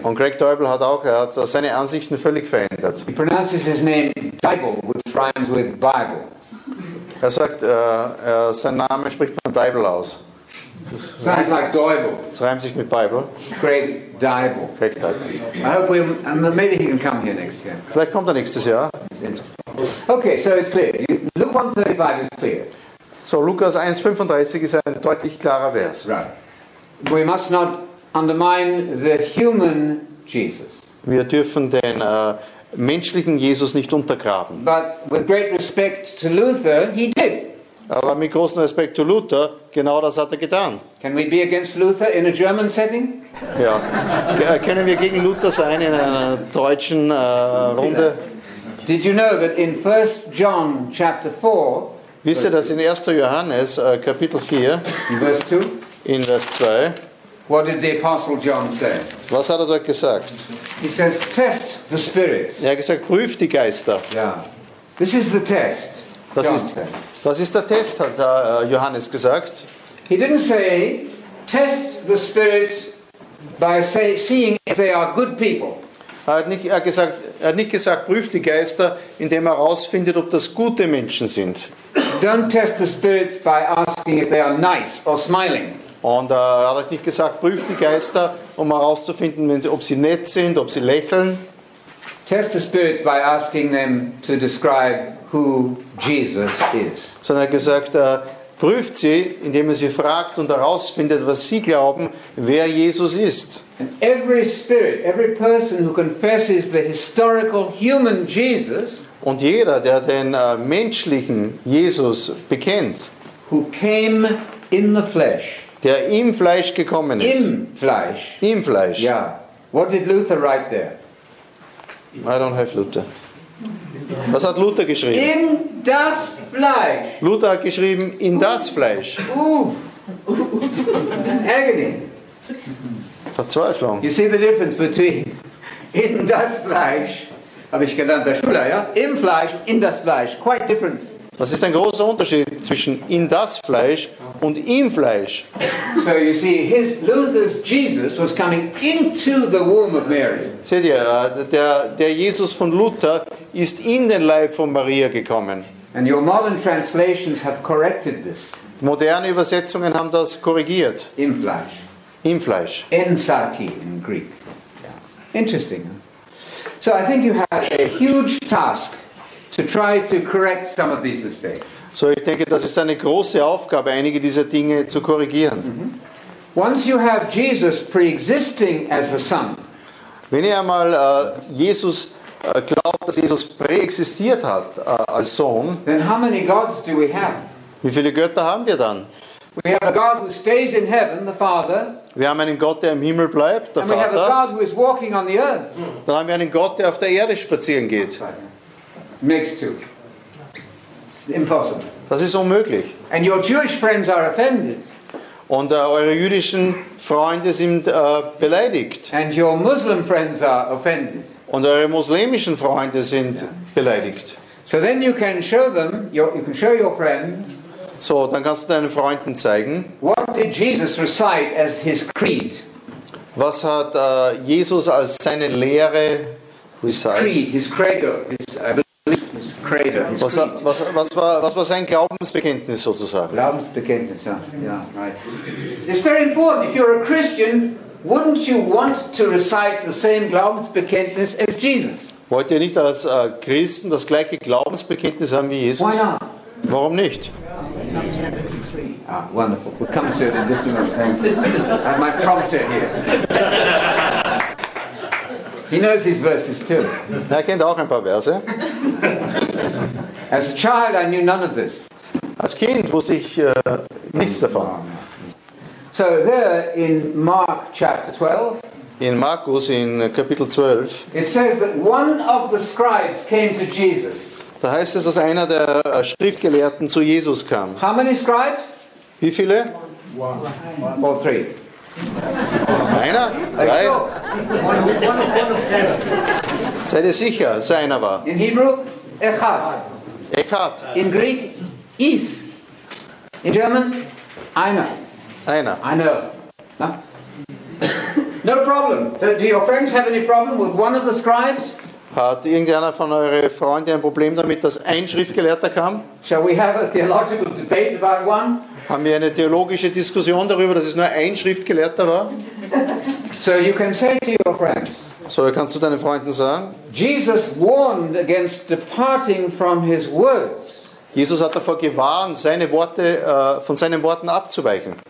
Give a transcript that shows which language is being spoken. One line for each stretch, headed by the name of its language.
German: Und Greg Dybel hat seine Ansichten völlig verändert.
English: He pronounces his name Dybel, which rhymes with Bible.
German: Er sagt, sein Name spricht man Dybel aus.
English: Sounds like Dybel.
German: Es reimt sich mit Bible. Greg Dybel. Greg Dybel.
English: I hope we'll, and maybe he can come here next year.
German: Vielleicht kommt er nächstes Jahr.
English: Okay, so it's clear. Luke 1:35 is clear.
German: So Lukas 1:35 ist ein deutlich klarer Vers.
English: Right. We must not undermine the human Jesus.
German: Wir dürfen den menschlichen Jesus nicht untergraben.
English: But with great respect to Luther, he did.
German: Aber mit großem Respekt zu Luther, genau das hat er getan.
English: Can we be against Luther in a German setting?
German: Ja. Können wir gegen Luther sein in einer deutschen Runde?
English: Did you know that in 1 John chapter 4,
German: wisst ihr, dass in 1. Johannes Kapitel 4,
English: verse 2,
German: in Vers 2,
English: what did the apostle John say?
German: Was hat er dort gesagt?
English: He says, test the spirits.
German: Er hat gesagt, prüf die Geister.
English: Yeah. This is the test.
German: Das ist der Test, hat Johannes gesagt.
English: He didn't say, test the spirits by seeing if they are good people.
German: Er hat nicht gesagt, prüft die Geister, indem er herausfindet, ob das gute Menschen sind.
English: Don't test the spirits by asking if they are nice or smiling.
German: Und er hat nicht gesagt, prüft die Geister, um herauszufinden, ob sie nett sind, ob sie lächeln.
English: Test the spirits by asking them to describe who Jesus is.
German: Sondern er hat gesagt, prüft sie, indem er sie fragt und herausfindet, was sie glauben, wer Jesus ist.
English: And every spirit, every person who confesses the historical human Jesus,
German: und jeder, der den menschlichen Jesus bekennt,
English: who came in the flesh,
German: der im Fleisch gekommen ist, im Fleisch, ja.
English: What did Luther write there? I don't have Luther.
German: Was hat Luther geschrieben? In das Fleisch. Luther hat geschrieben, in das Fleisch.
English: Agony.
German: Verzweiflung.
English: You see the difference between
German: in das Fleisch, habe ich gelernt, der Schüler, ja? Im Fleisch, in das Fleisch.
English: Quite different.
German: Das ist ein großer Unterschied zwischen in das Fleisch und im Fleisch.
English: So you see, his Luther's Jesus was coming into the womb of Mary.
German: Seht ihr, der Jesus von Luther ist in den Leib von Maria gekommen.
English: And your modern translations have corrected this.
German: Moderne Übersetzungen haben das korrigiert. Im Fleisch. Im Fleisch.
English: En Sarki in Greek. Interesting. So I think you have a huge task. To try to correct some of these mistakes.
German: So ich denke, das ist eine große Aufgabe, einige dieser Dinge zu korrigieren. Mm-hmm.
English: Once you have Jesus pre-existing as the Son,
German: wenn ihr einmal Jesus glaubt, dass Jesus präexistiert hat als Sohn,
English: then how many gods do we have?
German: Wie viele Götter haben wir dann?
English: We have a God who stays in heaven, the Father.
German: Wir haben einen Gott, der im Himmel bleibt, der Vater.
English: And we have a God who is walking on the earth.
German: Dann haben wir einen Gott, der auf der Erde spazieren geht.
English: Makes two. Impossible.
German: Das ist unmöglich.
English: And your Jewish friends are offended.
German: Und eure jüdischen Freunde sind beleidigt.
English: And your Muslim friends are offended.
German: Und eure muslimischen Freunde sind beleidigt.
English: So then you can show them, you can show your friend.
German: So, dann kannst du deinen Freunden zeigen.
English: What did Jesus recite as his creed?
German: Was hat Jesus als seine Lehre
English: recited? Creed, his credo, his, I believe, his credo. His
German: was war sein Glaubensbekenntnis sozusagen?
English: Glaubensbekenntnis, right. It's very important. If you're a Christian, wouldn't you want to recite the same Glaubensbekenntnis as Jesus?
German: Wollt ihr nicht als Christen das gleiche Glaubensbekenntnis haben wie Jesus?
English: Why not?
German: Warum nicht?
English: Ah, wonderful. We'll come to it in just a moment. Thank you. I have my prompter here. He knows his verses too.
German: Er kennt auch ein paar Verse.
English: As a child, I knew none of this.
German: Als Kind wusste ich nichts davon.
English: So there in Mark chapter 12.
German: In Markus in Kapitel 12.
English: It says that one of the scribes came to Jesus.
German: Da heißt es, dass einer der Schriftgelehrten zu Jesus kam.
English: How many scribes?
German: Wie viele?
English: One. Or three.
German: Einer? Drei?
English: One of ten.
German: Seid ihr sicher, dass es einer war?
English: In Hebrew, echad. Echad. In Greek, is. In German, einer.
German: Einer.
English: I know. No problem. Do your friends have any problem with one of the scribes?
German: Hat irgendeiner von euren Freunden ein Problem damit, dass ein Schriftgelehrter kam?
English: Shall we have a theological debate about one?
German: Haben wir eine theologische Diskussion darüber, dass es nur ein Schriftgelehrter war?
English: So you can say to your friends.
German: So kannst du deinen Freunden sagen?
English: Jesus warned against departing from his words.
German: Jesus hat davor gewarnt, seine Worte von seinen Worten abzuweichen.